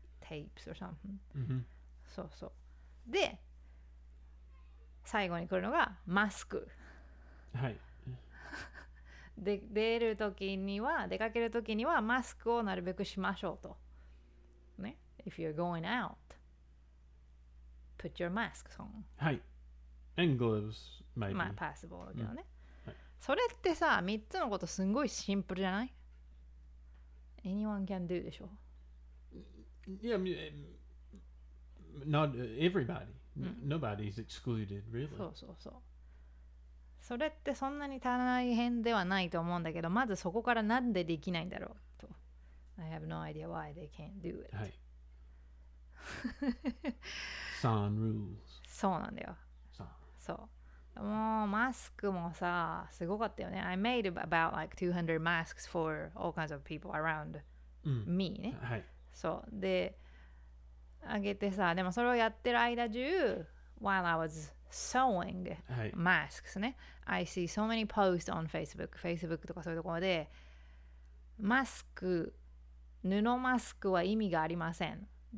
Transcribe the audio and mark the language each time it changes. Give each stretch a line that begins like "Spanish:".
English: tapes or something、うん、
Japanese: そうそう。で最後に来るのがマスク、はい。で出るときには出かけるときにはマスクをなるべくしましょうとね。
English: If you're going out, put your mask on. はい。And gloves, maybe.
Japanese: まあ possible だけどね、うん、はい。それってさ、3つのことすんごいシンプルじゃない？
English: Anyone can do
Japanese: でしょ？
English: Yeah, not everybody.、うん、Nobody's excluded, really.
Japanese: そうそうそう。それってそんなに大変ではないと思うんだけど、まずそこからなんでできないんだろうと。
English: I have no idea why they can't do it.
Japanese: はい。
English: Sun rules.
Japanese: そうなんだよ。そう。もうマスクもさ、すごかったよね。
English: I made about like 200 masks for all kinds of people around、うん、 me ね。
Japanese: はい。そう。で、あげてさ、でもそれをやってる間中、
English: while I was sewing masks、
Japanese: はい、ね。
English: I see so many posts on Facebook.
Japanese: Facebook とかそういうところで、マスク、布マスクは意味がありません。